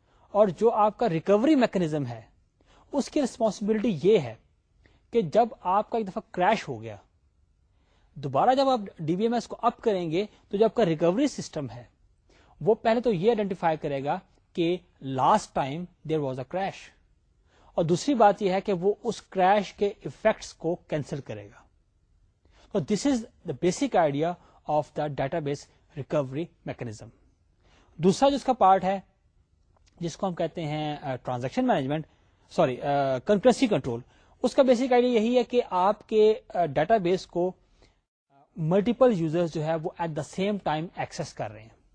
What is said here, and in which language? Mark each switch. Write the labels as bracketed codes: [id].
[ur] اور جو آپ کا ریکوری میکنزم ہے, اس کی ریسپانسبلٹی یہ ہے کہ جب آپ کا ایک دفعہ کریش ہو گیا, دوبارہ جب آپ ڈی بی ایم ایس کو اپ کریں گے, تو جو آپ کا ریکوری سسٹم ہے وہ پہلے تو یہ آئیڈینٹیفائی کرے گا کہ [en] last time there was a crash, [ur] اور دوسری بات یہ ہے کہ وہ اس کریش کے افیکٹس کو کینسل کرے گا. [en] تو this is the basic idea of the database recovery mechanism. [ur] دوسرا جو اس کا پارٹ ہے, جس کو ہم کہتے ہیں transaction management, sorry concurrency control, اس کا بیسک آئیڈیا یہی ہے کہ آپ کے ڈیٹا بیس کو ملٹیپل یوزرز جو ہے وہ [en] at the same time [ur] Axis کر رہے ہیں.